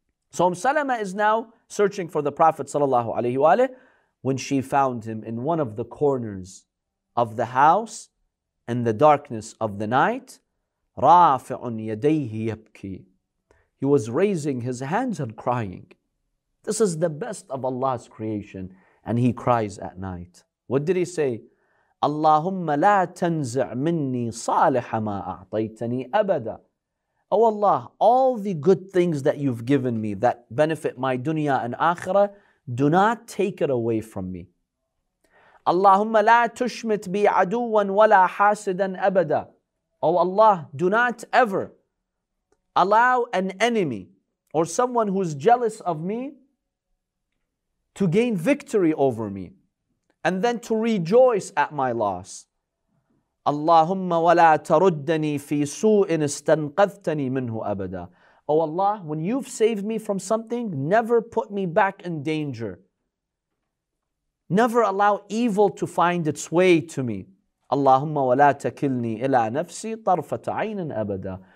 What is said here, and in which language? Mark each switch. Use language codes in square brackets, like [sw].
[en] So Salama is now searching for the Prophet sallallahu alayhi wa alayhi, when she found him in one of the corners of the house in the darkness of the night. [ar] رَافِعٌ يَدَيْهِ يَبْكِي. [en] He was raising his hands and crying. This is the best of Allah's creation, and he cries at night. What did he say? [ar] اللهم لا تنزع مني صالح ما أعطيتني أبدا. [en] Oh Allah, all the good things that you've given me that benefit my dunya and akhirah, do not take it away from me. [ar] اللهم لا تشمت بي عدوا ولا حاسدا أبدا. [en] Oh Allah, do not ever allow an enemy or someone who's jealous of me to gain victory over me and then to rejoice at my loss. [ar] اللهم ولا تردني في سوء استنقذتني منه أبدا. [en] Oh Allah, when you've saved me from something, never put me back in danger. Never allow evil to find its way to me. [ar] اللهم ولا تكلني إلى نفسي طرفة عين أبدا.